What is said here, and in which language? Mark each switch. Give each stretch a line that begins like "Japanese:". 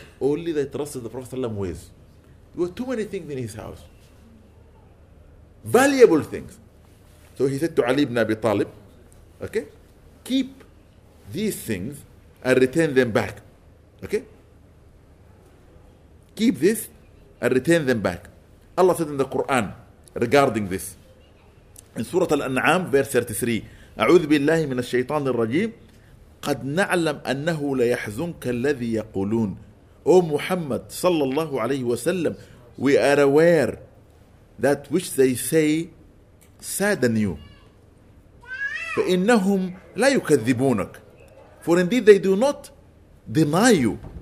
English: Only they trusted the Prophet ﷺ with. There were too many things in his house. Valuable things. So he said to Ali ibn Abi Talib, okay, keep these things and retain them back. Okay? Keep this and retain them back. Allah said in the Quran regarding this, In Surah Al-An'am, verse 33,
Arabic: أعوذ بالله من الشيطان الرجيم قد نعلم أنه ليحزنك الذي يقولون.
English: O Muhammad sallallahu alayhi wa sallam, we are aware that which they say sadden you.
Arabic: فَإِنَّهُمْ لَا يُكَذِّبُونَكَ.
English: For indeed they do not deny you.